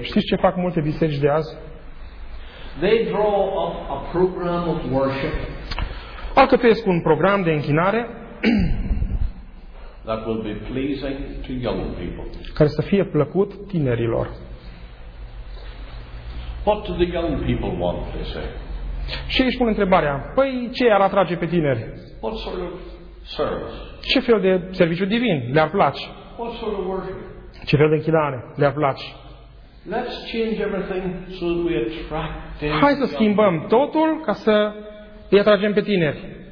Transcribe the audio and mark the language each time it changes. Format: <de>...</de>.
<ro>Știți ce fac multe biserici de azi?</ro> <en>They draw up a program of worship.</en> <ro>Alcătuiesc un program de închinare</ro> <en>that will be pleasing to young people.</en> <ro>Care să fie plăcut tinerilor.</ro> <en>What do the young people want, they say?</en> <ro>Și ei își pun întrebarea, păi ce ar atrage pe tineri?</ro> <en>What sort of service?</en> <ro>Ce fel de serviciu divin le-ar place?</ro> <en>What sort of worship?</en> <ro>Ce fel de închinare le-ar place?</ro> <en>Let's change everything so that we attract.</en> <ro>Hai să schimbăm totul ca să îi atragem pe tineri.</ro>